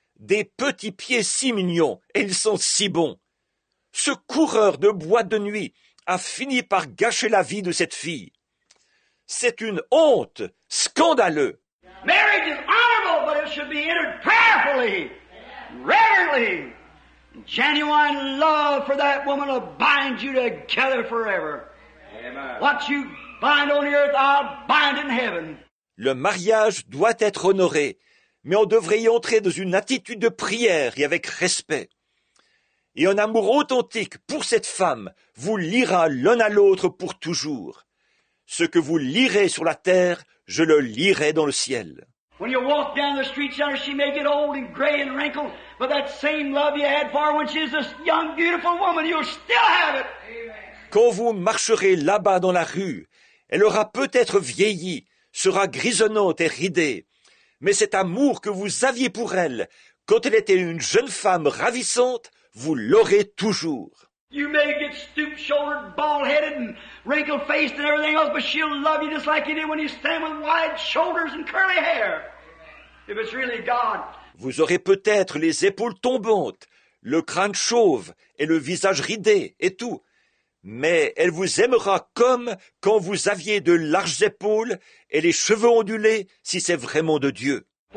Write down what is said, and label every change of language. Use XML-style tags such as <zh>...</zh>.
<fr>Des petits pieds si mignons, et ils sont si bons! Ce coureur de boîte de nuit a fini par gâcher la vie de cette fille. C'est une honte, scandaleux!</fr> <en>Marriage is honorable, but it should be entered prayerfully, reverently. Genuine love for that woman will bind you together forever. What you bind on earth, I'll bind in heaven.</en> <fr>Le mariage doit être honoré, mais on devrait y entrer dans une attitude de prière et avec respect. Et un amour authentique pour cette femme vous liera l'un à l'autre pour toujours. Ce que vous lirez sur la terre, je le lirai dans le ciel.</fr> <en>When you walk down the street, center, she may get old and gray and wrinkled, but that same love you had for her when she was this young, beautiful woman, you'll still have it.</en> <fr>Quand vous marcherez là-bas dans la rue, elle aura peut-être vieilli, sera grisonnante et ridée. Mais cet amour que vous aviez pour elle, quand elle était une jeune femme ravissante, vous l'aurez toujours.</fr> <en>You may get stoop-shouldered, bald-headed, and wrinkled-faced and everything else, but she'll love you just like you did when you stand with wide shoulders and curly hair. If it's really God.</en> <fr>Vous aurez peut-être les épaules tombantes, le crâne chauve et le visage ridé et tout. Mais elle vous aimera comme quand vous aviez de larges épaules et les cheveux ondulés, si c'est vraiment de Dieu.</fr>